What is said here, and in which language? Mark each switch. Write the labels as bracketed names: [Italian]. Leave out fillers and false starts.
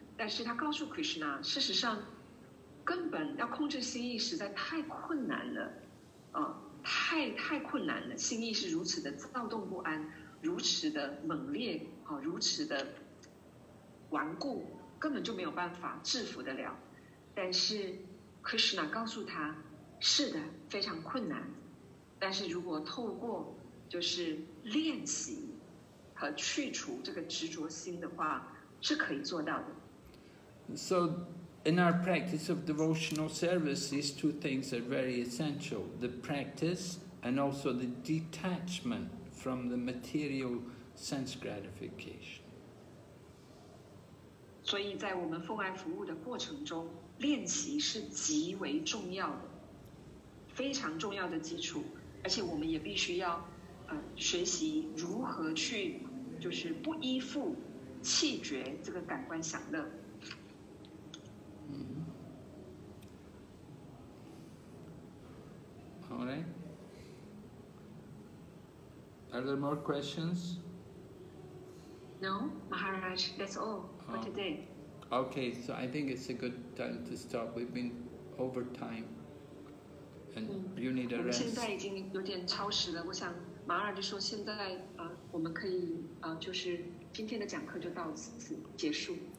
[Chinese] 但是他告诉 Krishna， 事实上根本要控制心意实在太困难了，太困难了，心意是如此的躁动不安，如此的猛烈，如此的顽固，根本就没有办法制服得了。但是 Krishna 告诉他，是的，非常困难，但是如果透过就是练习，和去除这个执着心的话是可以做到的。 [English] So, in our practice of devotional service, these two things are very essential. The practice and also the detachment from the material sense gratification. [Chinese] 所以在我们奉爱服务的过程中，练习是极为重要的，非常重要的基础。而且我们也必须要，学习如何去，就是不依附、弃绝这个感官享乐。 [English] All right. Are there more questions? No, Maharaj, that's all for today. Okay, so I think it's a good time to stop. We've been over time. And you need a rest. [Chinese] 我们现在已经有点超时了。我想马尔就说现在我们可以就是今天的讲课就到此结束。